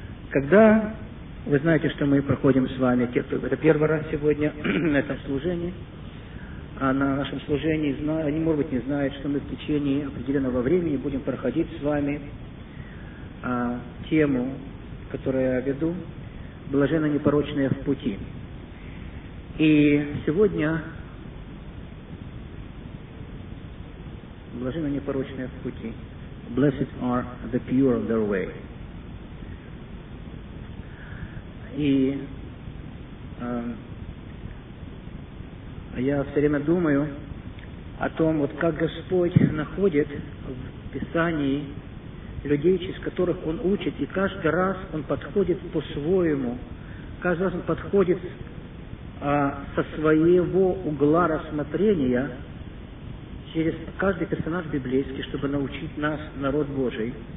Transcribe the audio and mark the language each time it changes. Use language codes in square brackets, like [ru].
[ru] Когда, вы знаете, что мы проходим с вами, это первый раз сегодня на этом служении, а на нашем служении, они, может быть, не знают, что мы в течение определенного времени будем проходить с вами тему, которую я веду, «Блаженно непорочные в пути». И сегодня «Блаженно непорочные в пути». [en] Blessed are the pure of their way. [ru] И я все время думаю о том, вот как Господь находит в Писании людей, через которых Он учит, и каждый раз Он подходит по-своему, каждый раз Он подходит со своего угла рассмотрения через каждый персонаж библейский, чтобы научить нас, народ Божий.